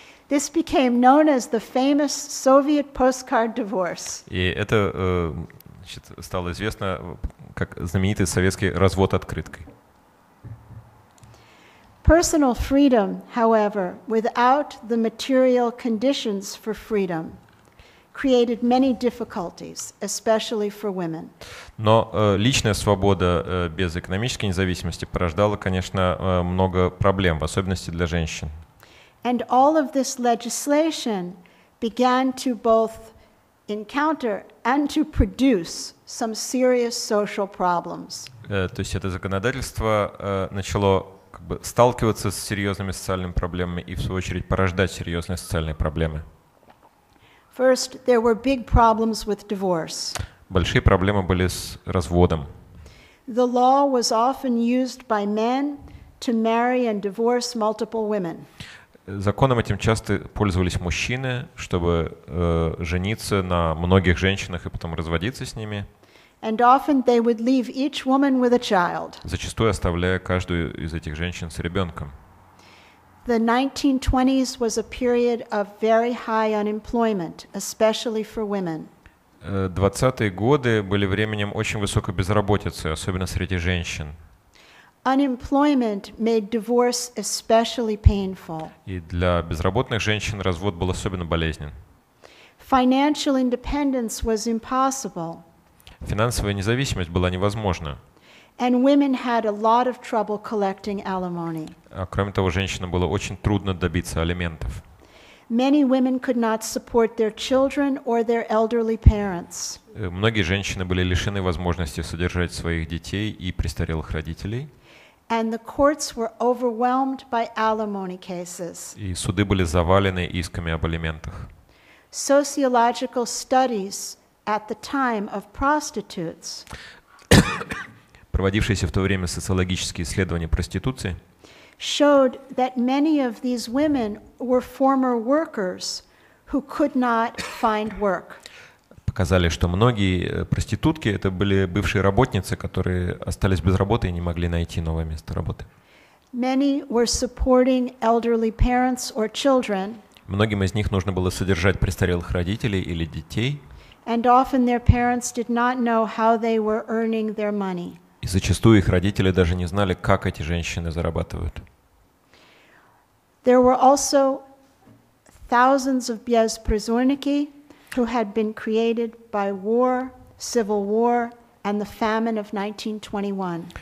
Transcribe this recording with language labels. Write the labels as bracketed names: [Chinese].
[English] This became known as the famous Soviet postcard divorce. [Russian] И это стало известно как знаменитый советский развод открыткой. [English] Personal freedom, however, without the material conditions for freedom, created many difficulties, especially for women. [Russian] Но личная свобода без экономической независимости порождала, конечно, много проблем, в особенности для женщин. [English] And all of this legislation began to both encounter and to produce some serious social problems. [Russian] То есть это законодательство начало как бы сталкиваться с серьезными социальными проблемами и в свою очередь порождать серьезные социальные проблемы. [English] First, there were big problems with divorce. [Russian] Большие проблемы были с разводом. [English] The law was often used by men to marry and divorce multiple women. [Russian] Законом этим часто пользовались мужчины, чтобы жениться на многих женщинах и потом разводиться с ними. [English] And often they would leave each woman with a child. [Russian] Зачастую оставляя каждую из этих женщин с ребенком. [English] The 1920s was a period of very high unemployment, especially for women. [Russian] 20-е годы были временем очень высокой безработицы, особенно среди женщин. [English] Unemployment made divorce especially painful. [Russian] И для безработных женщин развод был особенно болезнен. [English] Financial independence was impossible. [Russian] Финансовая независимость была невозможна. [English] And women had a lot of trouble collecting alimony. [Russian] Кроме того, женщинам было очень трудно добиться алиментов. [English] Many women could not support their children or their elderly parents. [Russian] Многие женщины были лишены возможности содержать своих детей и престарелых родителей. [English] And the courts were overwhelmed by alimony cases. [Russian] И суды были завалены исками об алиментах. [English] Sociological studies at the time of prostitutes. [Russian] Проводившиеся в то время социологические исследования проституции [English] showed that many of these women were former workers who could not find work. [Russian] Показали, что многие проститутки это были бывшие работницы, которые остались без работы и не могли найти новое место работы. [English] Many were supporting elderly parents or children. [Russian] Многим из них нужно было содержать престарелых родителей или детей. [English] And often their parents did not know how they were earning their money. [Russian] И зачастую их родители даже не знали, как эти женщины зарабатывают. [English] There were also thousands of беспризорники, who had been created by war, civil war, and the famine of 1921.